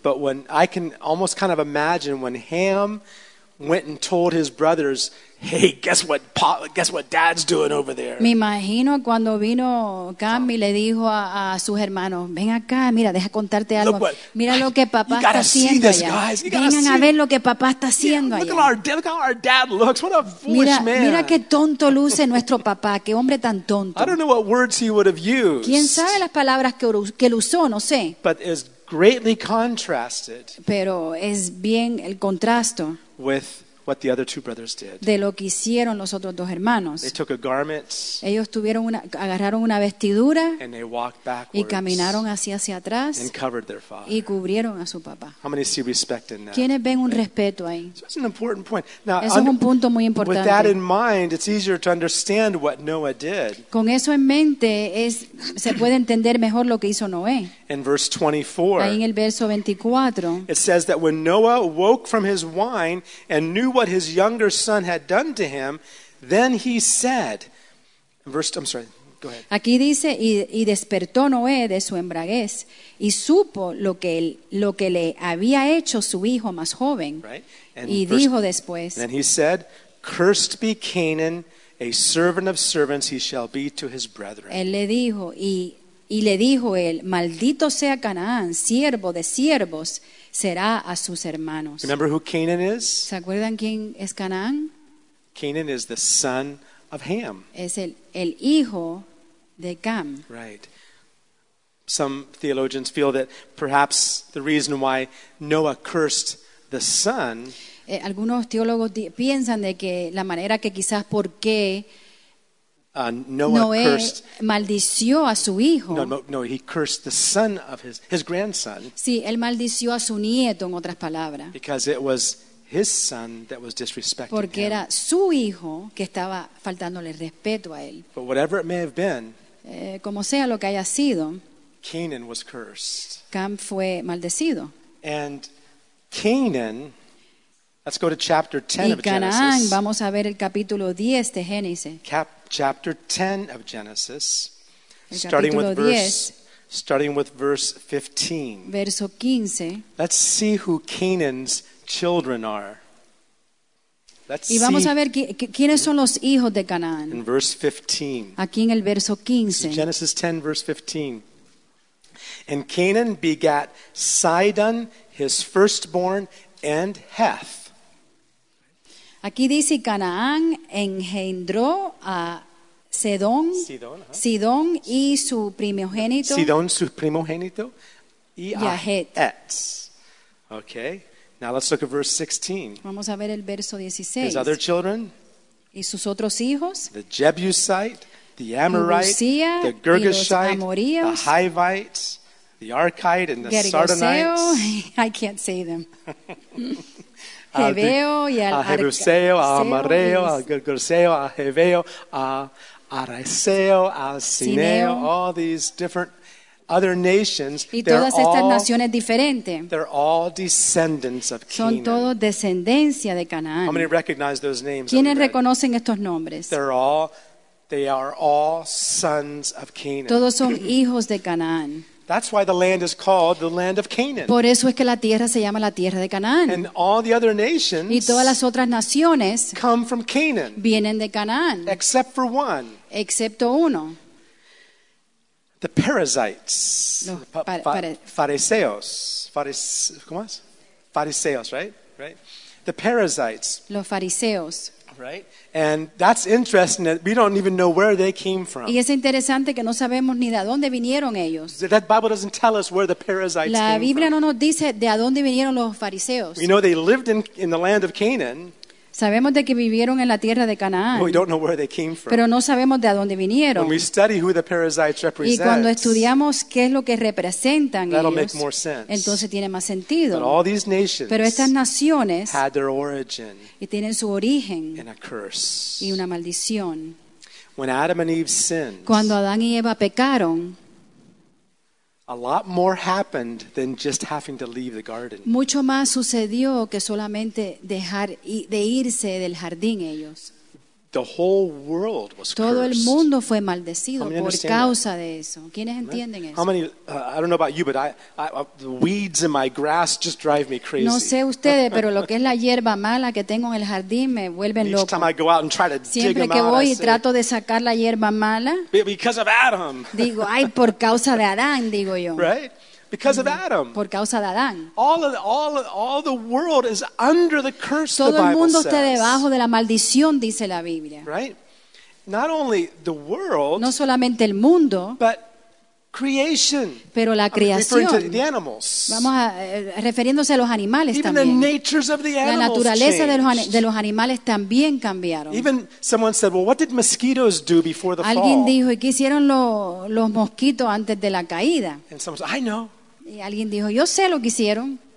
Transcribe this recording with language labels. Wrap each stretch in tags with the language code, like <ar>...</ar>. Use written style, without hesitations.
<en>but when I can almost kind of imagine when Ham went and told his brothers, "Hey, guess what dad's doing over there."</en> <es>Me imagino cuando vino Cam y le dijo a sus hermanos, "Ven acá, mira, deja contarte algo. Mira lo que papá está haciendo allá. Vengan a ver lo que papá está haciendo allá.</es> <en>Look how our dad looks. What a foolish man.</en> <es>Mira qué tonto luce nuestro papá, qué hombre tan tonto."</es> <en>I don't know what words he would have used.</en> <es>¿Quién sabe las palabras que él usó? No sé.</es> <en>But it's greatly contrasted.</en> <es>Pero es bien el contraste.</es> <en>With what the other two brothers did.</en> <es>De lo que hicieron los otros dos hermanos.</es> <en>They took a garment.</en> <es>Ellos tuvieron una, agarraron una vestidura.</es> <en>And they walked backwards.</en> <es>Y caminaron hacia atrás.</es> <en>And covered their father.</en> <es>Y cubrieron a su papá.</es> <en>How many see respect in that?</en> <es>¿Quiénes ven un respeto ahí?</es> <en>So that's an important point.</en> <es>Now, eso es un punto muy importante.</es> <en>With that in mind, it's easier to understand what Noah did.</en> <es>Con eso en mente es se puede entender mejor lo que hizo Noé.</es> <en>In verse 24.</en> <es>Ahí en el verso 24.</es> <en>It says that when Noah woke from his wine and knew what his younger son had done to him, then he said, go ahead.</en> <es>Aquí dice, y despertó Noé de su embriaguez y supo lo que le había hecho su hijo más joven.</es> <en>Right?</en> <es>Y dijo después,</es> <en>then he said, "Cursed be Canaan, a servant of servants he shall be to his brethren."</en> <es>Él le dijo, y le dijo él, "Maldito sea Canaán, siervo de siervos, será a sus hermanos."</es> <en>Remember who Canaan is?</en> <es>¿Se acuerdan quién es Canaán?</es> <en>Canaan is the son of Ham.</en> <es>Es el hijo de Cam.</es> <en>Right. Some theologians feel that perhaps the reason why Noah cursed the son.</en> <es>Algunos teólogos piensan de que la manera que quizás por qué</es> <en>Noah cursed.</en> <es>Maldició a su hijo.</es> <en>No, he cursed the son of his grandson.</en> <es>Sí, él maldició a su nieto, en otras palabras.</es> <en>Because it was his son that was disrespecting him.</en> <es>Porque era su hijo que estaba faltándole respeto a él.</es> <en>But whatever it may have been,</en> <es>como sea lo que haya sido,</es> <en>Canaan was cursed.</en> <es>Cam fue maldecido.</es> <en>And Canaan. Let's go to chapter 10</en> <es>y Canaán,</es> <en>of Genesis.</en> <es>Vamos a ver el capítulo 10 de Génesis.</es> <en>Chapter 10 of Genesis. Starting with verse 15.</en> <es>Verso 15.</es> <en>Let's see who Canaan's children are.</en> <es>Y vamos a ver quiénes son los hijos de Canaán.</es> <en>In verse 15.</en> <es>Aquí en el verso 15.</es> <en>Genesis 10 verse 15. And Canaan begat Sidon, his firstborn, and Heth.</en> <es>Aquí dice Canaán engendró a Sidón, Sidón y su primogénito. Sidón su primogénito y a Het.</es> <en>Okay. Now let's look at verse 16.</en> <es>Vamos a ver el verso 16.</es> <en>His other children.</en> <es>Y sus otros hijos.</es> <en>The Jebusite, the Amorite,</en> <es>Lucía,</es> <en>the Girgashite,</en> <es>Amorios,</es> <en>the Hivite, the Archite, and the Gergoseo. Sardonites. I can't say them.</en> <es>A Jebuseo, a Amareo, a Gergeseo, a Heveo, a Araseo, a Sineo, all these different other nations. Y todas estas naciones diferentes.</es> <en>They're all descendants of Canaan.</en> <es>Son todos descendencia de Canaán.</es> <en>How many recognize those names?</en> <es>¿Quiénes reconocen estos nombres?</es> <en>They are all sons of Canaan.</en> <es>Todos son hijos de Canaán.</es> <en>That's why the land is called the land of Canaan.</en> <es>Por eso es que la tierra se llama la tierra de Canaán.</es> <en>And all the other nations</en> <es>y todas las otras naciones</es> <en>come from Canaan.</en> <es>Vienen de Canaán.</es> <en>Except for one.</en> <es>Excepto uno.</es> <en>The Perizzites.</en> <es>Fariseos. ¿Cómo es? Fariseos,</es> <en>right? Right? The Perizzites.</en> <es>Los fariseos.</es> <en>Right? And that's interesting that we don't even know where they came from.</en> <es>Y es interesante que no sabemos ni de dónde vinieron ellos.</es> <en>That Bible doesn't tell us where the Perizzites came from.</en> <es>La Biblia no nos dice de dónde vinieron los fariseos.</es> <en>We know they lived in the land of Canaan.</en> <es>Sabemos de que vivieron en la tierra de Canaán.</es> <en>But we don't know where they came from.</en> <es>Pero no sabemos de dónde vinieron.</es> <en>When we study who the Perizzites represent,</en> <es>y cuando estudiamos qué es lo que representan</es> <en>that'll</en> <es>ellos,</es> <en>make more sense.</en> <es>Entonces tiene más sentido.</es> <en>But all these nations</en> <es>pero estas naciones</es> <en>had their origin</en> <es>y tienen su origen</es> <en>in a curse.</en> <es>Y una maldición.</es> <en>When Adam and Eve sinned,</en> <es>cuando Adán y Eva pecaron,</es> <en>A lot more happened than just having to leave the garden.</en> <es>Mucho más sucedió que solamente dejar de irse del jardín ellos.</es> <en>The whole world was cursed.</en> <es>Todo el mundo fue maldecido por causa de eso. ¿Quiénes entienden eso?</es> <en>How many, I don't know about you, but I the weeds in my grass just drive me crazy.</en> <es>No sé ustedes, pero lo que es la hierba mala que tengo en el jardín me vuelve loco.</es> <en>Each time I go out and try to dig them out,</en> <es>siempre que voy y trato de sacar la hierba mala,</es> <en>because of Adam.</en> <es>Digo, ay, por causa de Adán, digo yo.</es> <en>Right? Because of Adam.</en> <es>Por causa de Adán.</es> <en>All the world is under the curse.</en> <es>Todo el mundo</es> <en>the Bible</en> <es>está</es> <en>says.</en> <es>Debajo de la maldición, dice la Biblia.</es> <en>Right? Not only the world.</en> <es>No solamente el mundo.</es> <en>But creation.</en> <es>Pero la creación.</es> <en>Referring to the animals.</en> <es>Vamos a refiriéndose a los animales</es> <en>even</en> <es>también.</es> <en>Even the natures of the animals.</en> <es>La naturaleza</es> <en>changed.</en> <es>de los animales también cambiaron.</es> <en>Even someone said, "Well, what did mosquitoes do before the fall?"</en> <es>Alguien dijo, ¿y qué hicieron los mosquitos antes de la caída?</es> <en>And someone said, "I know."</en> <es>Y alguien dijo, yo sé lo que hicieron.</es>